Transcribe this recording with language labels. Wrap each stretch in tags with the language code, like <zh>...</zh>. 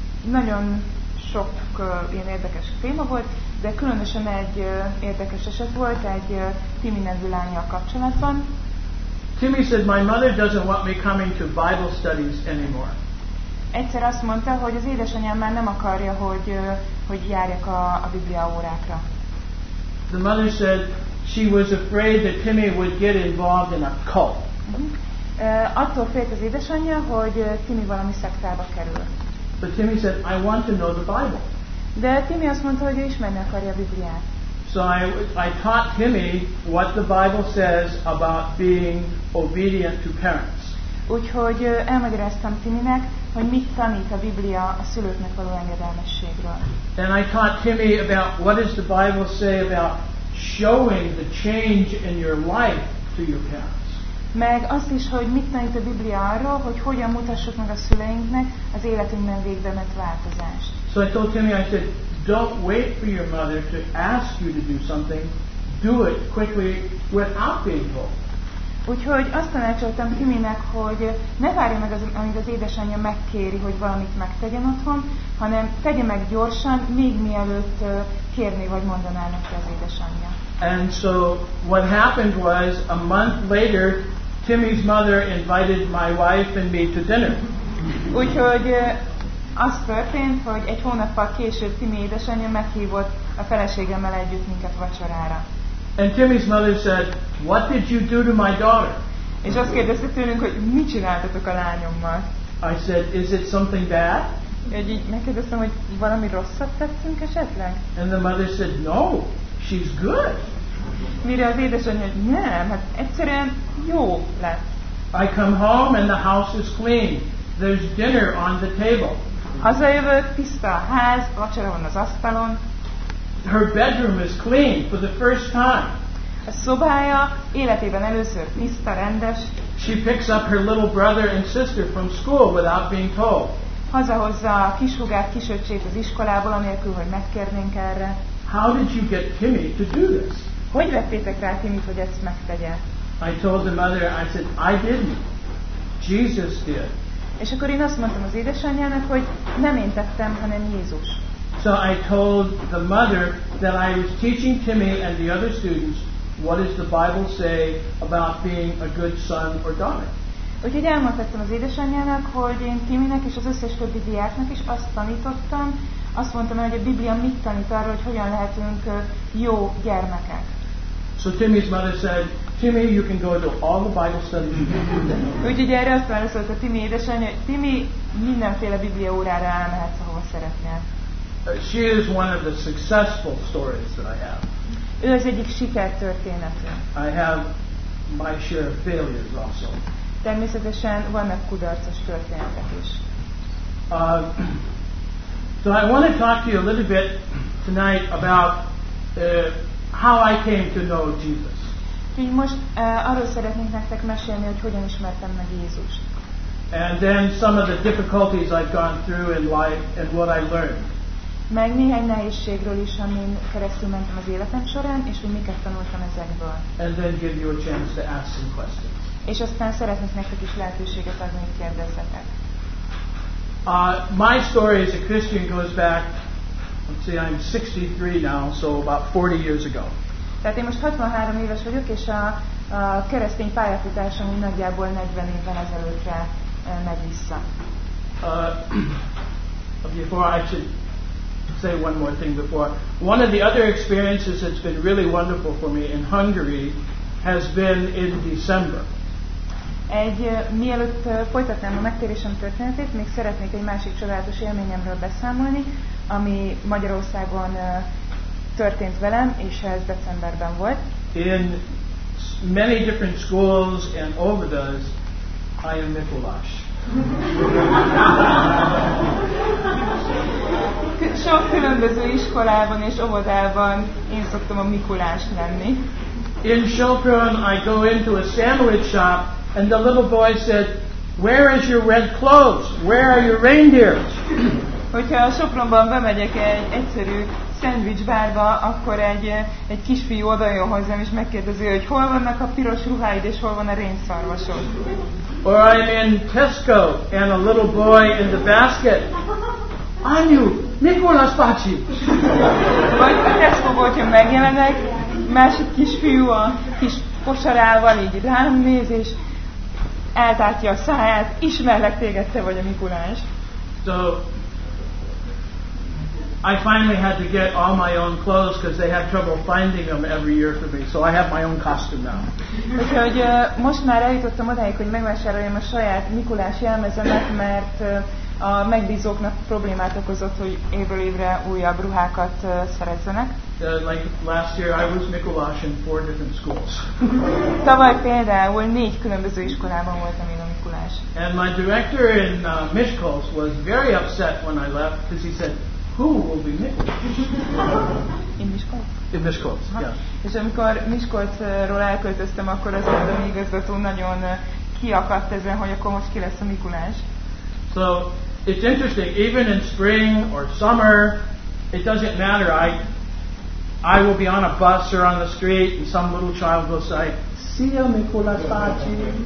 <hu>Nagyon sok ilyen érdekes téma volt, de különösen egy érdekes eset volt egy Timi nevű lányjal kapcsolatban.</hu> <en>Timmy said, my mother doesn't want me coming to Bible studies anymore.</en> <hu>Egyszer azt mondta, hogy az édesanyám már nem akarja, hogy járjak a Biblia órákra.</hu> <en>The mother said, she was afraid that Timmy would get involved in a cult.</en> <hu>Attól félt az édesanyja, hogy Timmy valami szektába kerül.</hu> <en>But Timmy said, I want to know the Bible.</en> <hu>De Timmy azt mondta, hogy ismerni akarja a Bibliát.</hu> <en>So I taught Timmy what the Bible says about being obedient to parents.</en> <hu>Úgyhogy elmagyaráztam Timinek, hogy mit tanít a Biblia a szülőknek való engedelmességről.</hu> <en>And I taught Timmy about what does the Bible say about showing the change in your life to your parents.</en> <hu>Meg azt is, hogy mit tanít a Biblia arról, hogy hogyan mutassuk meg a szüleinknek az életünkben végbemett változást.</hu> <en>So I told Timmy, I said, don't wait for your mother to ask you to do something. Do it quickly without being told.</en> <hu>Úgyhogy azt tanácsoltam Timinek, hogy ne várja meg, amíg az édesanyja megkéri, hogy valamit megtegyen otthon, hanem tegye meg gyorsan, még mielőtt kérni vagy mondaná neki az édesanyja.</hu> <en>And so what happened was a month later Timmy's mother invited my wife and me to dinner.</en> <hu>Úgyhogy az történt, hogy egy hónappal később Timmy édesanyja meghívott a feleségemmel együtt minket vacsorára.</hu> <en>And Timmy's mother said, "What did you do to my daughter?"</en> <hu>És azt kérdezte tőlünk, hogy mit csináltatok a lányommal?</hu> <en>I said, "Is it something bad?"</en> <hu>Úgy megkérdeztem, hogy valami rosszat tettünk esetleg?</hu> <en>And the mother said, "No. She's good."</en> <hu>Mire az édesanyja, hogy nem, hát egyszerűen jó lett.</hu> <en>I come home and the house is clean. There's dinner on the table.</en> <hu>Hazajövök, tiszta a ház, vacsora van az asztalon.</hu> <en>Her bedroom is clean for the first time.</en> <hu>A szobája életében először tiszta, rendes.</hu> <en>She picks up her little brother and sister from school without being told.</en> <hu>Hazahozza a kishúgát, kisöccsét az iskolából, anélkül, hogy megkérnénk erre.</hu> <en>How did you get Timmy to do this?</en> <hu>Hogy vettétek rá Timmyt, hogy ezt megtegye?</hu> <en>I told the mother, I said, I didn't. Jesus did.</en> <hu>És akkor én azt mondtam az édesanyjának, hogy nem én tettem, hanem Jézus.</hu> <en>So I told the mother that I was teaching Timmy and the other students what does the Bible say about being a good son or daughter.</en> <hu>Úgyhogy elmondhattam az édesanyjának, hogy én Timinek és az összes többi diáknak is azt tanítottam, azt mondtam el, hogy a Biblia mit tanít arra, hogy hogyan lehetünk jó gyermekek.</hu> <en>So Timmy's mother said, Timmy, you can go to all the Bible studies.</en> <hu>Úgyhogy erre azt válaszolt a Timmy édesanyja, hogy Timmy, mindenféle Biblia órára elmehetsz, ahova szeretnél.</hu> <en>She is one of the successful stories that I have.</en> <hu>Ő az egyik sikertörténetem.</hu> <en>I have my share of failures also.</en> <hu>Természetesen vannak kudarcos történetek is.</hu> <en>So I want to talk to you a little bit tonight about how I came to know Jesus.</en> <hu>Most arról szeretnék nektek mesélni, hogy hogyan ismertem meg Jézust.</hu> <en>And then some of the difficulties I've gone through in life and what I learned.</en> <hu>Meg néhány nehézségről is, amin keresztül mentem az életem során, és hogy miket tanultam ezekből.</hu> <en>And then give you a chance to ask some questions.</en> <hu>És aztán szeretnék nektek is lehetőséget adni, hogy kérdezzetek.</hu> <en>My story as a Christian goes back, let's see, I'm 63 now, so about 40 years ago.</en> <hu>Tehát én most 63 éves vagyok, és a keresztény pályafutásom nagyjából 40 évvel ezelőttre megy vissza.</hu> <en>Before I should say one more thing before. One of the other experiences that's been really wonderful for me in Hungary has been in December.</en> <hu>Egy mielőtt folytatnám a megtérésem történetét, még szeretnék egy másik csodálatos élményemről beszámolni, ami Magyarországon történt velem, és ez decemberben volt.</hu> <en>In many different schools and óvodas, I am Mikulás.</en> <hu>Sok különböző iskolában és óvodában én szoktam a Mikulás lenni.</hu> <en>In Sopron, I go into a sandwich shop, and the little boy said, "Where is your red clothes? Where are your reindeers?"</en> <hu>Hogyha a Sopronban bemegyek egy egyszerű szendvics bárba, akkor egy kisfiú oda jön hozzám és megkérdezi, hogy hol vannak a piros ruháid és hol van a rénszarvasod.</hu> <en>Or I'm in Tesco and a little boy in the basket.</en> <hu>Anyu, Mikulás bácsi. Vagy a Tesco-ból, hogyha megjelenek, másik kisfiú a kis kosarával így rám néz, és eltátja a száját, ismerlek téged, te vagy a Mikulás.</hu> <en>So, I finally had to get all my own clothes because they had trouble finding them every year for me. So I have my own costume now.</en> <hu>Úgyhogy most már eljutottam odáig, hogy megvásároljam a saját Mikulás jelmezemet, mert a megbízóknak problémát okozott, hogy évről évre újabb ruhákat szerezzenek.</hu> <en>Like last year I was Mikolás in four different schools.</en> <hu>Tavaly például négy különböző iskolában voltam én a Mikolás.</hu> <en>And my director in Miskolc was very upset when I left because he said, who will be Mikolás? In Miskolc? In Miskolc, yeah.</en> <hu>És amikor Miskolcról elköltöztem, akkor az adami igazgató nagyon kiakadt ezen, hogy akkor most ki lesz a Mikolás.</hu> <en>So it's interesting, even in spring or summer, it doesn't matter. I will be on a bus or on the street and some little child will say,</en> <hu>"Szia, Mikolás bácsi."</hu>